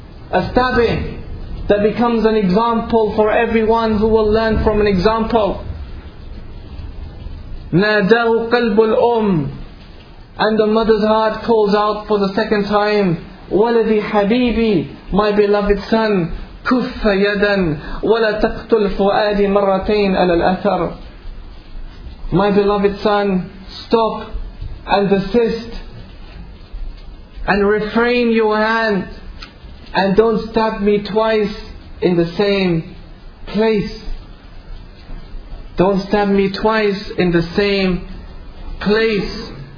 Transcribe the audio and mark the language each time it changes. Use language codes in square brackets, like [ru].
[en] A stabbing that becomes an example for everyone who will learn from an example. [ar] نَادَوْ قَلْبُ الْأُمْ. [en] And the mother's heart calls out for the second time, [ar] وَلَدِي حَبِيبِي. [en] My beloved son, [ar] كُفَّ يَدًا وَلَا تَقْتُلْ فُؤَادِي مَرَّتَيْنَ أَلَى الْأَثَرِ. [en] My beloved son, stop and desist and refrain your hand and don't stab me twice in the same place. Don't stab me twice in the same place.